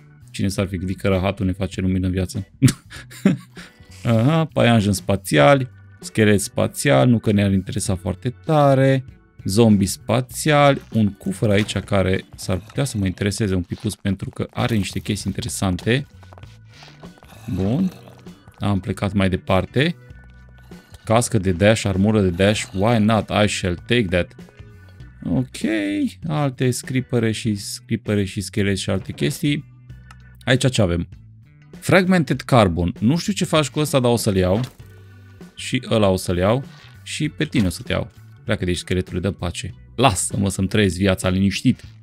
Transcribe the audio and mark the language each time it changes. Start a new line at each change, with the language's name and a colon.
Romanian: Cine s-ar fi gândit că rahatul ne face lumină în viață? Aha, paianjen spațiali, schelet spațial, nu că ne-ar interesa foarte tare, zombi spațiali, un cufăr aici care s-ar putea să mă intereseze un pic pentru că are niște chestii interesante. Bun, am plecat mai departe. Cască de dash, armură de dash,
English: why not, I shall take that.
Romanian: Ok, alte scripere și schelet și alte chestii. Aici ce avem? Fragmented carbon. Nu știu ce faci cu ăsta, dar o să-l iau. Și ăla o să-l iau. Și pe tine o să te iau. Pleacă de aici, scheletul, dă pace. Lasă-mă să-mi trăiesc viața liniștit.